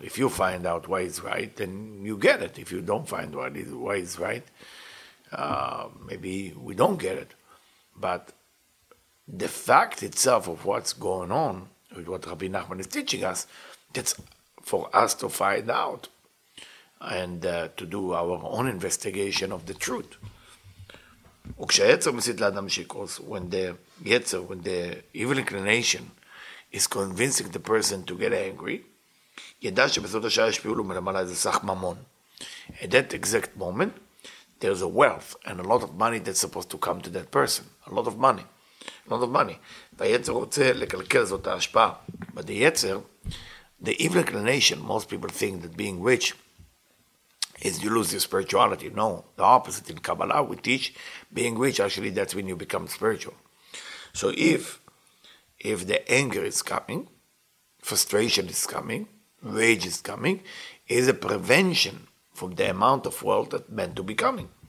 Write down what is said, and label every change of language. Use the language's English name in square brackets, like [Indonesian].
[English] If you find out why he's right, then you get it. If you don't find why he's right, maybe we don't get it. But the fact itself of what's going on with what Rabbi Nachman is teaching us, that's for us to find out and to do our own investigation of the truth. [Hebrew] וכשהיצר מסית לאדם שיקרוס, [English] when the יצר, when the evil inclination is convincing the person to get angry, [Hebrew] ידע שבסוד השעה השפיעו לו מלמעלה איזה סך ממון. [English] At that exact moment, there's a wealth and a lot of money that's supposed to come to that person. A lot of money. A lot of money. [Hebrew] והיצר רוצה לקלקל זאת ההשפעה. [English] But the יצר, the evil inclination, most people think that being rich is you lose your spirituality. No, the opposite. In Kabbalah, we teach being rich, actually, that's when you become spiritual. So if the anger is coming, frustration is coming, rage is coming, is a prevention from the amount of wealth that meant to be coming.